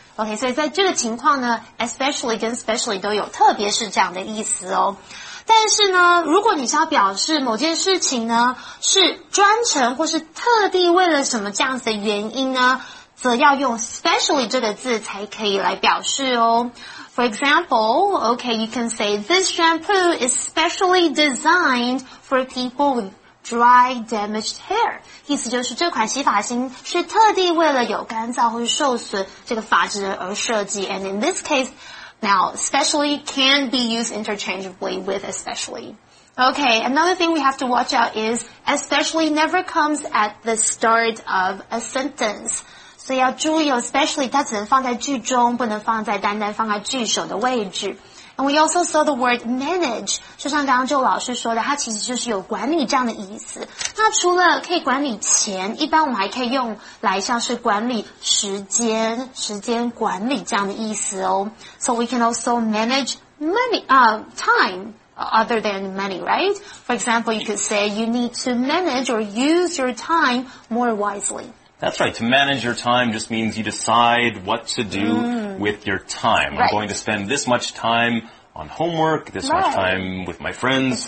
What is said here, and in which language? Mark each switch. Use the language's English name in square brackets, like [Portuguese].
[Chinese] OK, 所以在这个情况呢 especially 跟 specially 都有特别是这样的意思哦。但是呢如果你是要表示某件事情呢是专程或是特地为了什么这样子的原因呢则要用 specially 这个字才可以来表示哦。 [English] For example, okay, you can say this shampoo is specially designed for people with dry damaged hair. [Chinese] 意思就是这款洗发精是特地为了有干燥或是受损这个发质而设计。 [English] And in this case, now, specially can be used interchangeably with especially. Okay, another thing we have to watch out is especially never comes at the start of a sentence. [Chinese] 所以要注意 especially 它只能放在句中不能放在单单放在句首的位置。 [English] And we also saw the word manage. [Chinese] 就像刚刚就老师说的它其实就是有管理这样的意思。那除了可以管理钱一般我们还可以用来像是管理时间管理这样的意思哦。 [English] So we can also manage time. Other than money, right? For example, you could say you need to manage or use your time more wisely. That's right. To manage your time just means you decide what to do with your time. Right. I'm going to spend this much time on homework, this much time with my friends.